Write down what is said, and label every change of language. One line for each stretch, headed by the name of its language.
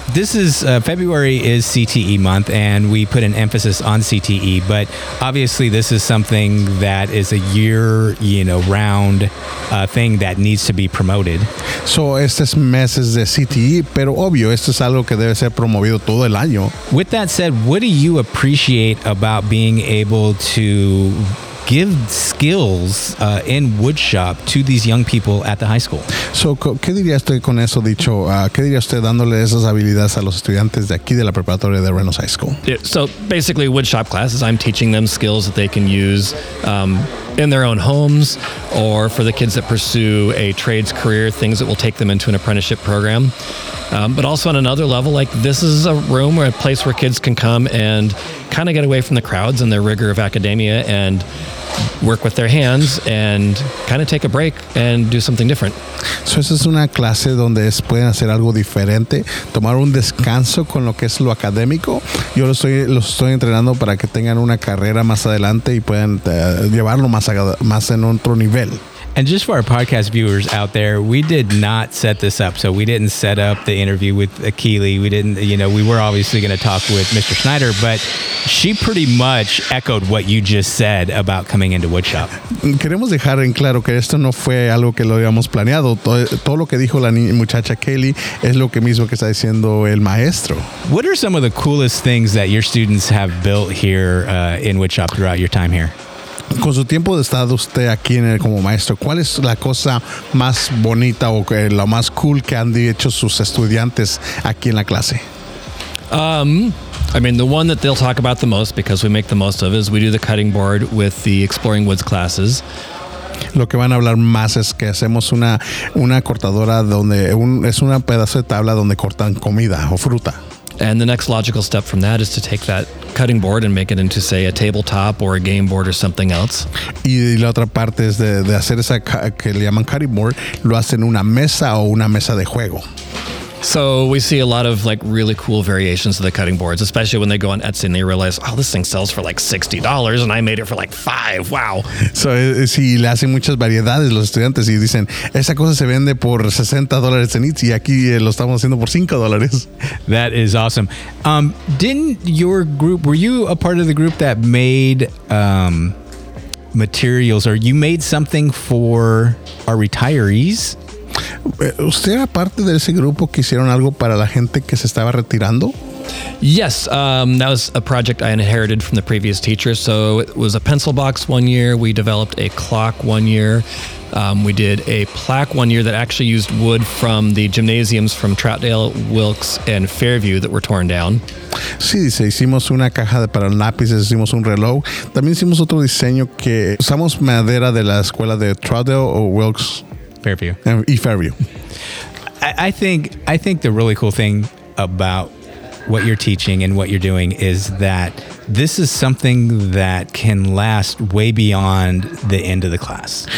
English: This is February is CTE month, and we put an emphasis on CTE, but obviously this is something that is a year, you know, round thing that needs to be promoted.
Spanish: So estos meses de CTE, pero obvio, esto es algo que debe ser promovido todo el año.
English: With that said, what do you appreciate about being able to give skills in wood shop to these young people at the high school?
Spanish: So, ¿qué diría usted con eso dicho? ¿Qué diría usted dándole esas habilidades a los estudiantes de aquí de la preparatoria de Reynolds High School?
English: Yeah, so, basically, wood shop classes, I'm teaching them skills that they can use in their own homes, or for the kids that pursue a trades career, things that will take them into an apprenticeship program. But also on another level, like this is a room or a place where kids can come and kind of get away from the crowds and the rigor of academia and work with their hands and kind of take a break and do something different.
Spanish: So esa es una clase donde pueden hacer algo diferente, tomar un descanso con lo que es lo académico. Yo los estoy entrenando para que tengan una carrera más adelante y puedan llevarlo más en otro nivel.
English: And just for our podcast viewers out there, we did not set this up. So we didn't set up the interview with Akili. We didn't, you know, we were obviously going to talk with Mr. Schneider, but she pretty much echoed what you just said about coming into Woodshop.
Spanish: Queremos dejar en claro que esto no fue algo que lo habíamos planeado. Todo lo que dijo la muchacha Kaylee es lo que mismo que está diciendo el maestro.
English: What are some of the coolest things that your students have built here in Woodshop throughout your time here?
Spanish: Con su tiempo de estar usted aquí en el, como maestro, ¿cuál es la cosa más bonita o la más cool que han hecho sus estudiantes aquí en la clase?
English: I mean, the one that they'll talk about the most, because we make the most of, is we do the cutting board with the Exploring Woods classes.
Spanish: Lo que van a hablar más es que hacemos una cortadora donde es una pedazo de tabla donde cortan comida o fruta.
English: And the next logical step from that is to take that cutting board and make it into, say, a tabletop or a game board or something else.
Spanish: Y la otra parte es de hacer esa que le llaman cutting board, lo hacen una mesa o una mesa de juego.
English: So we see a lot of like really cool variations of the cutting boards, especially when they go on Etsy and they realize, oh, this thing sells for like $60 and I made it for like $5. Wow.
Spanish: So si le hacen muchas variedades los estudiantes y dicen, esa cosa se vende por $60 en Etsy y aquí lo estamos haciendo por $5.
English: That is awesome. Were you a part of the group that made materials, or you made something for our retirees?
Spanish: ¿Usted era parte de ese grupo que hicieron algo para la gente que se estaba retirando?
English: Yes, that was a project I inherited from the previous teacher. So it was a pencil box 1 year. We developed a clock 1 year. We did a plaque 1 year that actually used wood from the gymnasiums from Troutdale, Wilkes, and Fairview that were torn down.
Spanish: Sí, dice, hicimos una caja de para lápices, hicimos un reloj. También hicimos otro diseño que usamos madera de la escuela de Troutdale o Wilkes. Fairview.
English: I think the really cool thing about what you're teaching and what you're doing is that this is something that can last way beyond the end of the class.